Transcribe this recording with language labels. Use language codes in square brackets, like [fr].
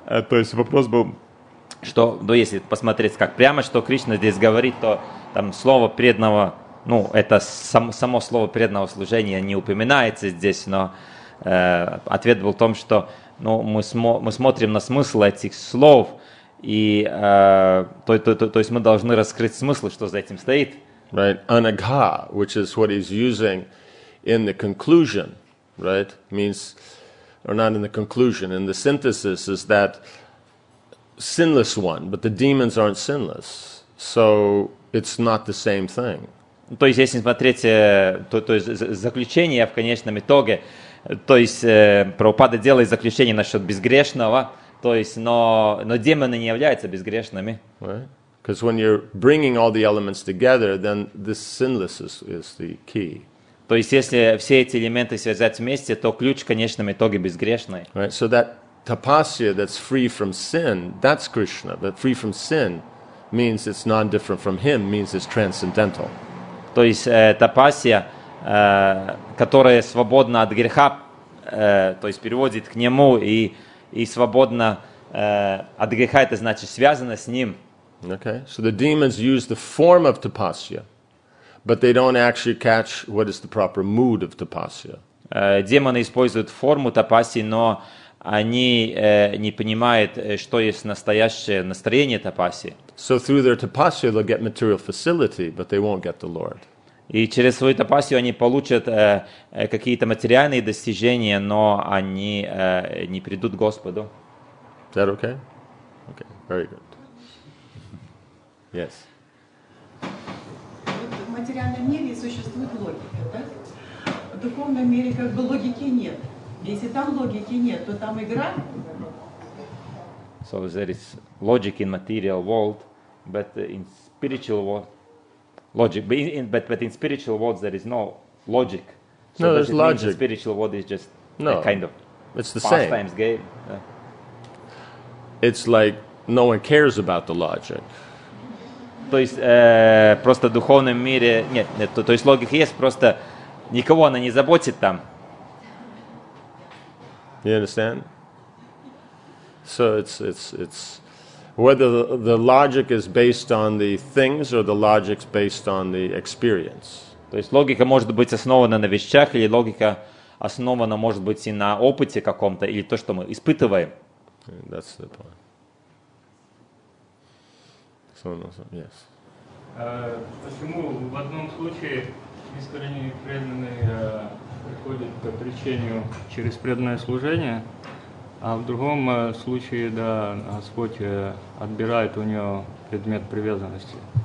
[ru] То есть вопрос был, что, ну, если посмотреть как прямо, что Кришна здесь говорит, то там слово преданного, ну, это само слово преданного служения не упоминается здесь, но ответ был в том, что, ну, мы смотрим на смысл этих слов, и то есть мы должны раскрыть смысл, что за этим стоит. [en] Right, anagha, which is what he's using in the conclusion, right, means... Or not in the conclusion, in the synthesis is that sinless one, but the demons aren't sinless, so it's not the same thing. [ru] То есть если смотреть то есть заключение в конечном итоге, то есть Прабхупада делает заключение насчет безгрешного, то есть но демоны не являются безгрешными. [en] Right? Because when you're bringing all the elements together, then this sinless is the key. [ru] То есть, если все эти элементы связать вместе, то ключ, в конечном итоге, безгрешный. [en] Right. So that tapasya that's free from sin, that's Krishna. That free from sin means it's non-different from Him, means it's transcendental. [ru] То есть тапасия, которая свободна от греха, то есть переводит к Нему и свободна от греха, это значит связана с Ним. [en] Okay. So the demons use the form of tapasya. But they don't actually catch what is the proper mood of tapasya. [ru] Демоны используют форму тапасии, но они не понимают, что есть настоящее настроение тапасии. [en] So through their tapasya they'll get material facility, but they won't get the Lord. [ru] И через свою тапасию они получат какие-то материальные достижения, но они не придут к Господу. [en] Is that okay? Okay, very good. Yes. [ru] В материальном мире существует логика, так? В духовном мире как бы логики нет. Если там логики нет, то там игра. [en] So there is logic in material world, but in spiritual world, logic. But in spiritual world there is no logic. So no, there's logic. The spiritual world is just no, a kind of it's the same. Pastimes game. It's like no one cares about the logic. [ru] то есть просто в духовном мире нет, то есть логика есть, просто никого она не заботит там. [en] You understand? So it's whether the logic is based on the things or the logic's based on the experience. [ru] То есть логика может быть основана на вещах, или логика основана может быть и на опыте каком-то, или то, что мы испытываем. [en] And that's the point. Yes. [ru] Почему в одном случае искренне преданный приходит к отречению через преданное служение, а в другом случае, да, Господь отбирает у него предмет привязанности?